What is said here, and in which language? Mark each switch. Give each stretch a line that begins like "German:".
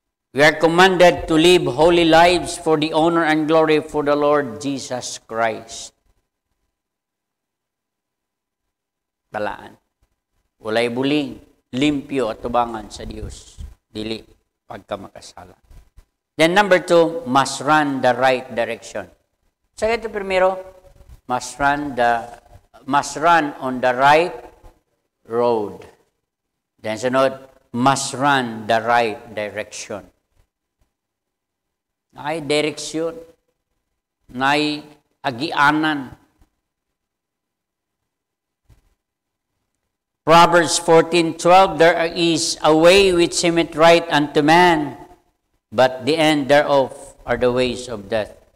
English: We are commanded to live holy lives for the honor and glory for the Lord Jesus Christ.
Cebuano: Balaan. Walay buling. Limpyo at tubangan sa Dios. Dili pagkamakasala.
English: Then number two, must run the right direction. So
Cebuano: ito primero,
English: must run on the right road. Then sunod, must run the right direction.
Cebuano: Ay direksyon, nay agianan.
English: Proverbs 14:12, there is a way which seemeth right unto man, but the end thereof are the ways of death.